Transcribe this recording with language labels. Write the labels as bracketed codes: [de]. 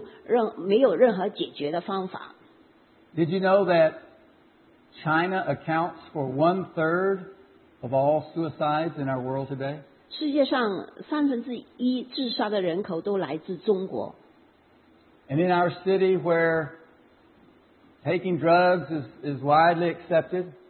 [zh] 那些要自杀的人，他们都觉得他们是没有指望、没有出路、没有任何解决的方法。 [en] Did you know that China accounts for 1/3 of all suicides in our world today? [zh] 世界上三分之一自杀的人口都来自中国。 [en] And in our city where taking drugs is widely accepted,